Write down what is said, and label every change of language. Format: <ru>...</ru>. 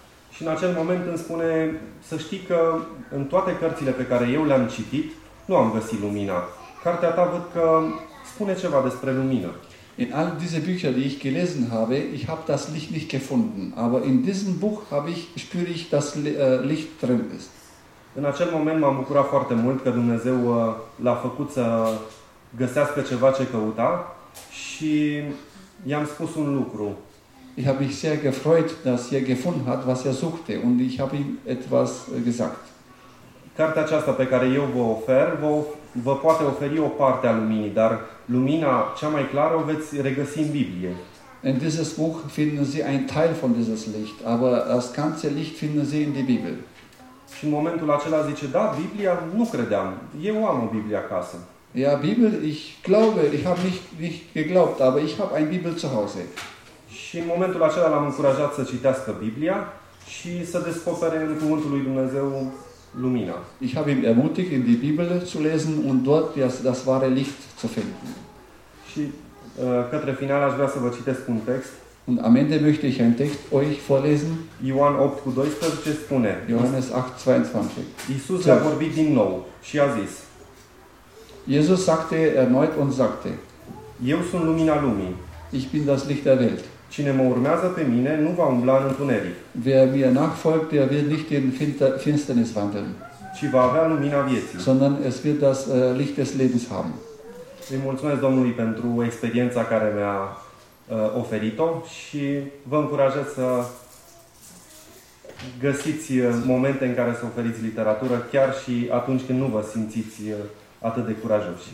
<ro>Și în acel moment îmi spune, să știi că în toate cărțile pe care eu le-am citit, nu am găsit lumina. Cartea ta văd că spune ceva despre lumină.</ro> <de>In all diese Bücher, die ich gelesen habe, ich habe das Licht nicht gefunden, aber in diesem Buch habe ich spüre ich, dass Licht drin ist.</de> <ro>În acel moment m-am bucurat foarte mult că Dumnezeu l-a făcut să găsească ceva ce căuta și i-am spus un lucru.</ro> <de>Ich habe mich sehr gefreut, dass er gefunden hat, was er suchte, und ich habe ihm etwas gesagt.</de> <ro>Cartea aceasta pe care eu vă ofer, vă poate oferi o parte a luminii, dar lumina cea mai clară o veți regăsi în Biblie.</ro> <de>In dieses Buch finden Sie ein Teil von dieses Licht, aber das ganze Licht finden Sie in die Bibel.</de> <ro>Și în momentul acela zice, da, Biblia, nu credeam, eu am o Biblie acasă.</ro> <de>Ja, Bibel, ich glaube, ich habe nicht geglaubt, aber ich habe ein Bibel zu Hause.</de> <ro>Și în momentul acela l-am încurajat să citească Biblia și să descopere în Cuvântul lui Dumnezeu lumina.</ro> <de>Ich habe ihn ermutigt, in die Bibel zu lesen und dort das wahre Licht zu finden.</de> <ro>Și către final aș vrea să vă citesc un text.</ro> <de>Und am Ende möchte ich einen Text euch vorlesen.</de> <ro>Ioan 8:12 spune.</ro> <de>Johannes 8:22.</de> <ro>Iisus a vorbit din nou și a zis.</ro> <de>Jesus sagte erneut und sagte.</de> <ro>Eu sunt lumina lumii.</ro> <de>Ich bin das Licht der Welt.</de> <ro>Cine mă urmează pe mine nu va umbla în întuneric.</ro> <de>Wer mir nachfolgt, der wird nicht in Finsternis wandeln.</de> <ro>ci va avea lumina vieții.</ro> <de>Sondern es wird das Licht des Lebens haben.</de> <ro>Îi mulțumesc Domnului pentru experiența care mi-a oferit-o și vă încurajez să găsiți momente în care să oferiți literatură chiar și atunci când nu vă simțiți atât de curajoși.</ro>